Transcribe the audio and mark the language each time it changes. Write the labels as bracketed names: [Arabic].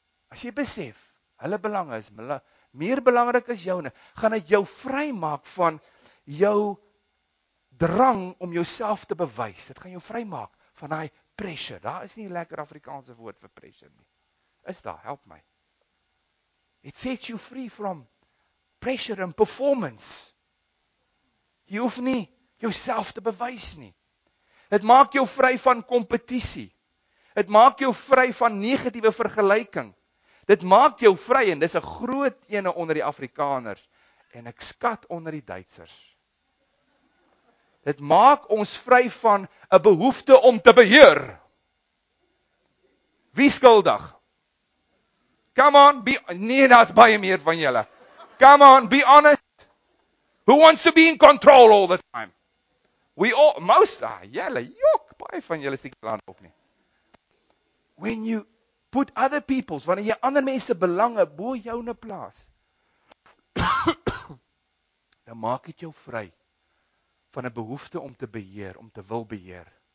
[Afrikaans] As jy besef, hulle belange is meer belangrik as joune, gaan dit jou vry maak van jou drang om jouself te bewys. Dit gaan jou vry maak van daai pressure. Daar is nie 'n lekker Afrikaanse woord vir pressure nie. Is daar? Help my. [English] It sets you free from pressure and performance. [Afrikaans] Jy hoef nie jouself te bewys nie. Dit maak jou vry van kompetisie. Dit maak jou vry van negatiewe vergelyking. Dit maak jou vry en dis 'n groot ene onder die Afrikaners en ek skat onder die Duitsers. Dit maak ons vry van 'n behoefte om te beheer. Wie skuldig? Come on, be nee, daar's baie meer van julle. [English] Come on, be honest. Who wants to be in control all the time? We all most are. [Afrikaans] Julle, jok, baie van julle steek die hand op nie. [English] When you put other people's, [Afrikaans] wanneer jy ander mense belange bo joune plaas, dan maak dit jou vry van 'n behoefte om te beheer, om te wil beheer.